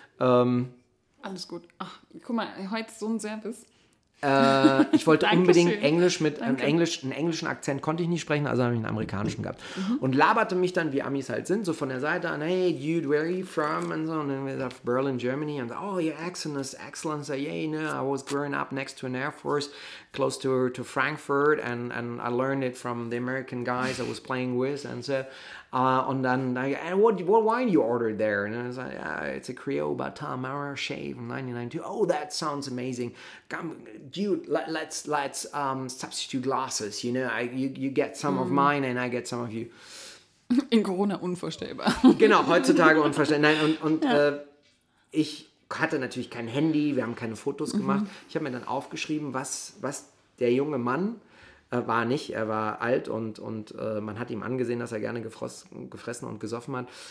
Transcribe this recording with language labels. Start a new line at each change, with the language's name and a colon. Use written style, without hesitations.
German: alles gut. Ach, guck mal, heute ist so ein Service. Ich wollte unbedingt Englisch mit einen englischen Akzent konnte ich nicht sprechen, also habe ich einen amerikanischen gehabt. Und laberte mich dann, wie Amis halt sind, so von der Seite an,
English: hey, dude, where are you from?
German: Und so, und dann wir sagten, Berlin, Germany. Und so,
English: oh, your accent is excellent. So, yeah, you know, I was growing up next to an Air Force, close to Frankfurt, and I learned it from the American guys I was playing with. And so,
German: und dann,
English: and what wine you ordered there? And I was like, yeah, it's a Creole Batam Maraché from 1992. Oh, that sounds amazing. Come, dude, let's substitute glasses. You know, you get some of mine and I get some of you.
German: In Corona unvorstellbar. Genau, heutzutage unvorstellbar. Nein, ich hatte natürlich kein Handy, wir haben keine Fotos gemacht. Ich habe mir dann aufgeschrieben, was der junge Mann war nicht, er war alt und man hat ihm angesehen, dass er gerne gefressen und gesoffen hat.